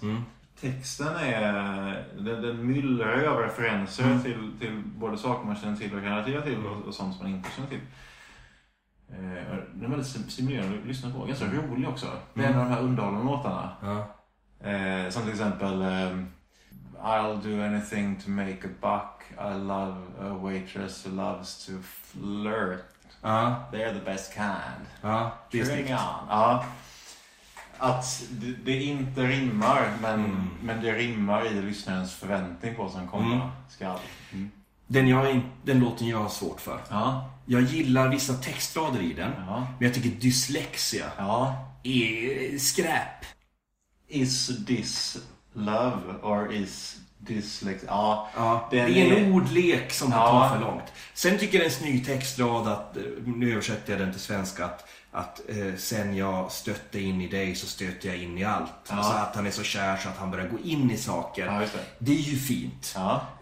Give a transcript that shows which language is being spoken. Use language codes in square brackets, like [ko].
[sv] Mm. Texten är... Den myllrar av referenser till både saker man känner till och kan relatera till och sånt som man inte känner till. Den är väldigt stimulerande att lyssna på. Ganska rolig också. Det är en av de här underhållande låtarna. Som till exempel... [en] I'll do anything to make a buck. I love a waitress who loves to flirt. They're the best kind. [sv] Ja, det är snyggt. att det inte rimmar, men det rimmar i lyssnarens förväntning på vad som kommer. Den låten jag har svårt för. Ja. Jag gillar vissa textrader i den, ja. Men jag tycker dyslexia, ja, är skräp. [en] Is this love or is dyslexia? [sv] Ja, ja. Det är en ordlek som har, ja, tar för långt. Sen tycker jag en snygg textrad, att nu översätter jag den till svenska, att sen jag stötte in i dig så stötte jag in i allt. Ja. Alltså att han är så kär så att han börjar gå in i saker. Ja, det är ju fint. Ja.